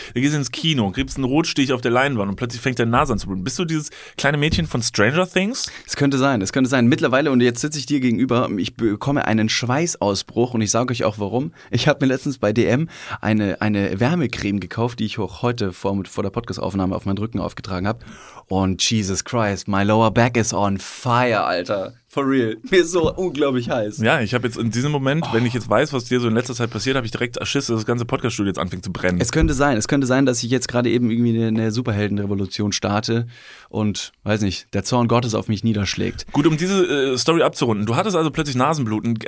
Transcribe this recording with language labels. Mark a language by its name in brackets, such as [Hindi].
[German] Du gehst ins Kino, kriegst einen Rotstich auf der Leinwand und plötzlich fängt deine Nase an zu bluten. Bist du dieses kleine Mädchen von Stranger Things? Es könnte sein. Mittlerweile, und jetzt sitze ich dir gegenüber, ich bekomme einen Schweißausbruch und ich sage euch auch warum. Ich habe mir letztens bei DM eine Wärmecreme gekauft, die ich auch heute vor der Podcast-Aufnahme auf meinen Rücken aufgetragen habe. [English] Und Jesus Christ, my lower back is on fire, Alter. For real. [German] Mir ist so unglaublich heiß. Ja, ich habe jetzt in diesem Moment, wenn ich jetzt weiß, was dir so in letzter Zeit passiert, habe ich direkt Schiss, dass das ganze Podcast-Studio jetzt anfängt zu brennen. Es könnte sein, dass ich jetzt gerade eben irgendwie eine Superheldenrevolution starte und, weiß nicht, der Zorn Gottes auf mich niederschlägt. Gut, um diese Story abzurunden. Du hattest also plötzlich Nasenbluten.